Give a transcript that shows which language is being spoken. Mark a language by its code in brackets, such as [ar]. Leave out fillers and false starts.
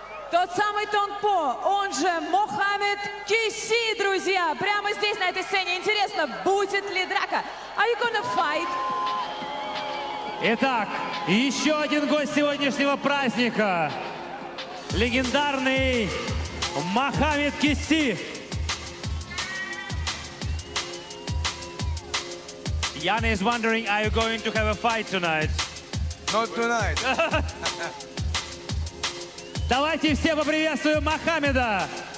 [ru] Тот самый Tong Po, он же Мохаммед Кейси, друзья, прямо здесь, на этой сцене. Интересно, будет ли драка? [en] Are you gonna fight? [ru] Итак, еще один гость сегодняшнего праздника. Легендарный Мохаммед Кейси. [en] Яна is wondering, are you going to have a fight tonight? Not tonight. [ru] Давайте все поприветствуем Мохаммеда.